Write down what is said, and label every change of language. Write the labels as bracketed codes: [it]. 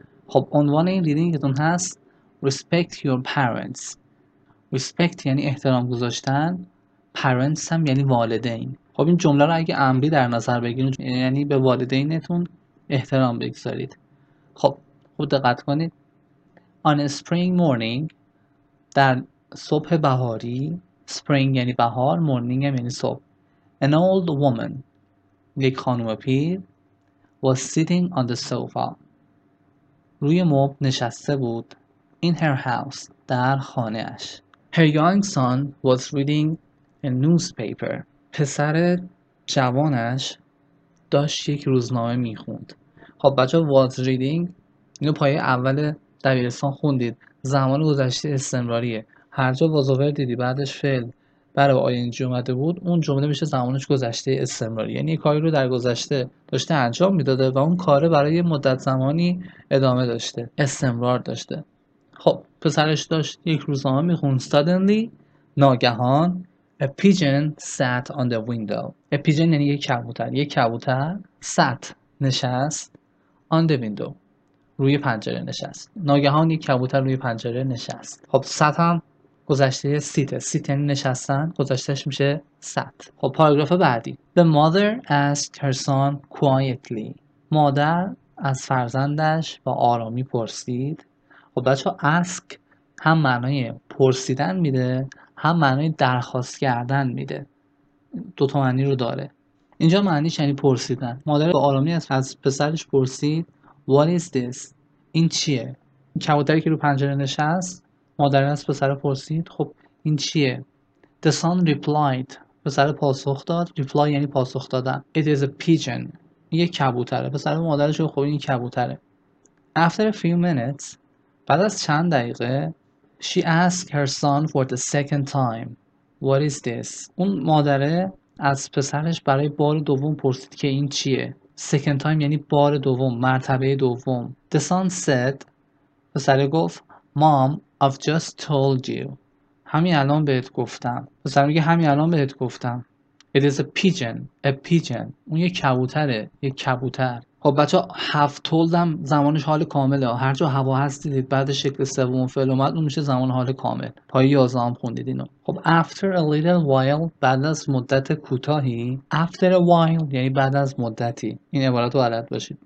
[fa] خب عنوان این ریدینگتون هست [en] Respect your parents. [fa] Respect یعنی احترام گذاشتن، parents هم یعنی والدین. خب این جمله رو اگه امری در نظر بگیرید یعنی به والدینتون احترام بگذارید. خب خوب دقت کنید. [en] On a spring morning، [fa] در صبح بهاری، [en] spring یعنی بهار، morning یعنی صبح، an old woman، [fa] یک خانم پیر، [en] was sitting on the sofa، [fa] روی مبل نشسته بود، [en] in her house، [fa] در خانه اش، [en] her young son was reading a newspaper، [fa] پسر جوانش داشت یک روزنامه میخوند. خب بچه was reading اینو پایه اول دبیرستان خوندید، زمان گذشته استمراریه، هر جا وازوور دیدی بعدش فعل برای آی ان جی اومده بود اون جمله میشه زمانش گذشته استمراری، یعنی کاری رو در گذشته داشته انجام میداده و اون کار برای مدت زمانی ادامه داشته، استمرار داشته. خب پسرش داشت یک روزنامه میخوند. [en] Suddenly، ناگهان، a pigeon sat on the window. [fa] A pigeon یعنی یک کبوتر. یک کبوتر sat، نشست، [en] on the window، [fa] روی پنجره نشست. ناگهان یک کبوتر روی پنجره نشست. خب sat هم گذشته sit، sit یعنی نشستن، گذشتهش میشه sat. خب پاراگراف بعدی. [en] The mother asked her son quietly. [fa] مادر از فرزندش با آرامی پرسید. خب بچه ask هم معنای پرسیدن میده، هم معنای درخواست کردن میده. دوتا معنی رو داره. اینجا معنیش یعنی پرسیدن. مادر با آرامی از پسرش پرسید [en] What is this؟ [fa] این چیه؟ کبوتری که رو پنجره نشست، مادر از پسر پرسید خب این چیه؟ [en] The son replied، [fa] پسر پاسخ داد، reply یعنی پاسخ دادن، [en] It is a pigeon، [fa] یه کبوتره. پسر مادرش رو خب این کبوتره. [en] After a few minutes، [fa] بعد از چند دقیقه، [en] She asked her son for the second time، What is this؟ [fa] اون مادره از پسرش برای بار دوم پرسید که این چیه؟ second time یعنی بار دوم، مرتبه دوم. [en] The son said، [fa] پسر گفت [en] Mom، I've just told you، [fa] همین الان بهت گفتم. پسر میگه همین الان بهت گفتم. [en] It is a pigeon، a pigeon، [fa] اون یه کبوتره، یه کبوتر. خب بچه ها have told هم زمانش حال کامله، هر جا هوا هست دیدید بعد شکل سوم فعل اومد اون میشه زمان حال کامل. پایی 11 هم خوندید اینو. خب [en] after a little while، [fa] بعد از مدت کوتاهی، [en] after a while [fa] یعنی بعد از مدتی، این عبارت رو بلد باشید.